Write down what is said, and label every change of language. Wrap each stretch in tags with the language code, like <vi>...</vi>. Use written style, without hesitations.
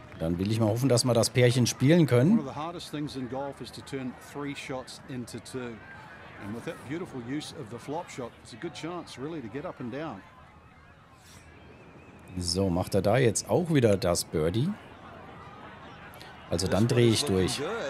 <de>Dann will ich mal hoffen, dass wir das Pärchen spielen können.</de> <en>One of the hardest things in golf is to turn three shots into two. And with that beautiful use of the flop shot, it's a good chance really to get up and down.</en> <de>So, macht er da jetzt auch wieder das Birdie? Also dann drehe ich durch.</de>